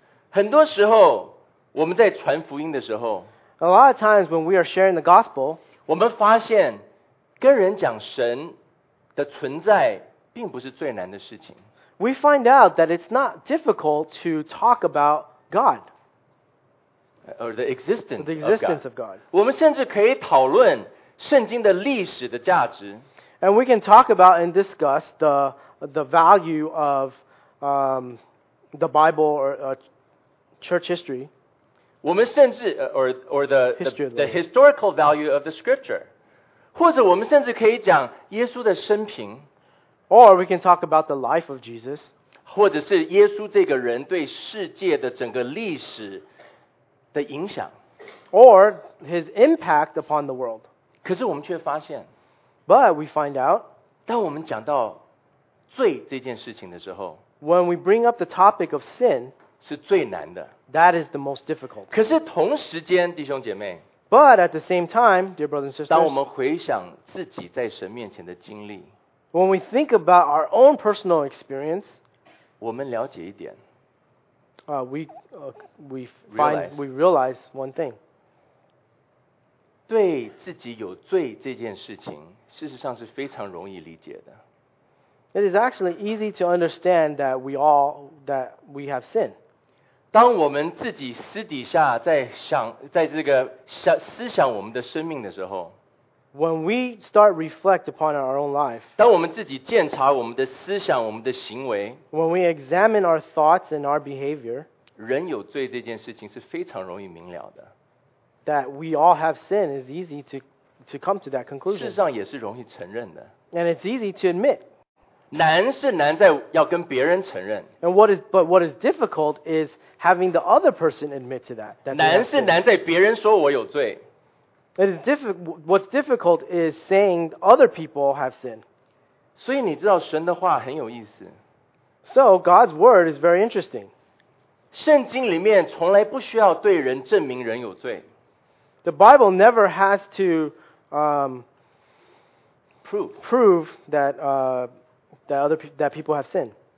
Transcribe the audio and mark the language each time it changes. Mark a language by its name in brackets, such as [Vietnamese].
[Chinese] 很多时候我们在传福音的时候 [English] ，A lot of times when we are sharing the gospel, [Chinese] 我们发现。跟人讲神的存在并不是最难的事情。 [English] We find out that it's not difficult to talk about God. Or the existence, the existence of God. [Chinese] 我们甚至可以讨论圣经的历史的价值。 [English] And we can talk about and discuss the value of the Bible or church history. [Chinese] 我们甚至 [English] or the, history the historical value of the scripture. [Chinese] 或者我们甚至可以讲耶稣的生平 [English] ，or we can talk about the life of Jesus， [Chinese] 或者是耶稣这个人对世界的整个历史的影响 [English] or his impact upon the world. [Chinese] 可是我们却发现, [English] but we find out, [Chinese] 当我们讲到罪这件事情的时候, [English] when we bring up the topic of sin, [Chinese] 是最难的, [English] that is the most difficult. [Chinese] 可是同时间,弟兄姐妹, [English] but at the same time, dear brothers and sisters, [Chinese] 当我们回想自己在神面前的经历, [English] when we think about our own personal experience, [Chinese] 我们了解一点。 [English] We realize one thing. [Chinese] 对自己有罪这件事情，事实上是非常容易理解的。 [English] It is actually easy to understand that we have sin. [Chinese] 当我们自己私底下在思想我们的生命的时候。 [English] When we start reflect upon our own life, [Chinese] 当我们自己检查我们的思想、我们的行为， [English] when we examine our thoughts and our behavior, [Chinese] 人有罪这件事情是非常容易明了的。 [English] That we all have sin is easy to come to that conclusion. [Chinese] 事实上也是容易承认的。 [English] And it's easy to admit. [Chinese] 难是难在要跟别人承认。 [English] And what is difficult is having the other person admit to that. [Chinese] 难是难在别人说我有罪。 [English] What's difficult is saying other people have sin. [Chinese] 所以你知道神的话很有意思。 [English] So God's word is very interesting. [Chinese] 圣经里面从来不需要对人证明人有罪。 [English] The Bible never has to prove that people have sin.